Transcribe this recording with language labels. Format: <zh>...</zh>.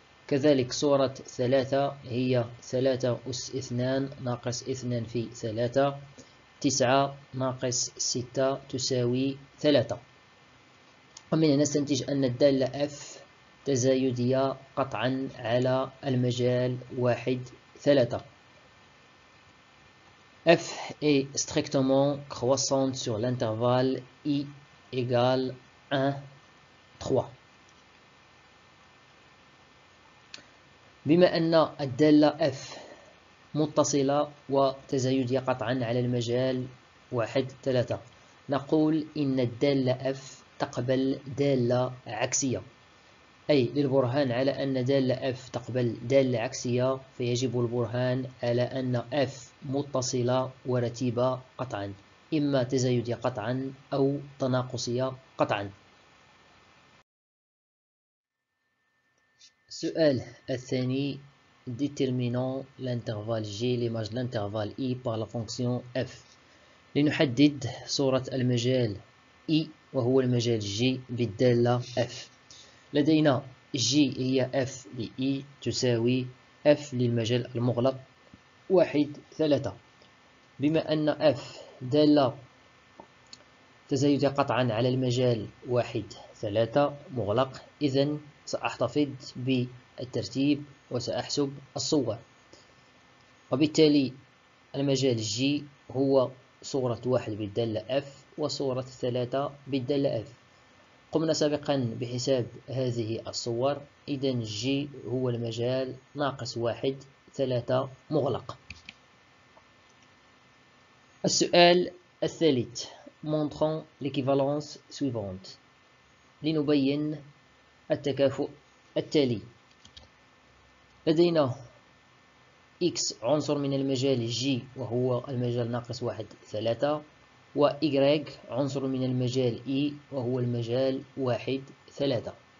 <ar>كذلك صورة ثلاثة هي 3 أس 2 ناقص 2 في 3، 9 ناقص 6 تساوي 3. ومن هنا نستنتج أن الدالة F تزايدية قطعا على المجال 1 3.</ar> <fr>F est strictement croissante sur l'intervalle I égale 1 3.</fr> <ar>بما أن الدالة F متصلة وتزايدية قطعا على المجال 1 3، نقول إن الدالة F تقبل دالة عكسية. أي للبرهان على أن دالة F تقبل دالة عكسية فيجب البرهان على أن F متصلة ورتيبة قطعا، إما تزايدية قطعا أو تناقصية قطعا. السؤال الثاني:</ar> <fr>Déterminons l'intervalle G l'image de l'intervalle I par la fonction F.</fr> <ar>لنحدد صورة المجال I وهو المجال G بالدالة F. لدينا G هي F لE تساوي F للمجال المغلق 1 3. بما أن F دالة تزايدية قطعا على المجال 1 3 مغلق، إذن سأحتفظ بالترتيب وسأحسب الصور. وبالتالي المجال G هو صورة 1 بالدالة F وصورة 3 بالدالة F. قمنا سابقا بحساب هذه الصور، إذن G هو المجال ناقص 1 3 مغلق. السؤال الثالث:</ar> <fr>Montrons l'équivalence suivante.</fr> <ar>لنبين التكافؤ التالي. لدينا X عنصر من المجال G وهو المجال ناقص 1 3، و Y عنصر من المجال E وهو المجال 1 3.</ar>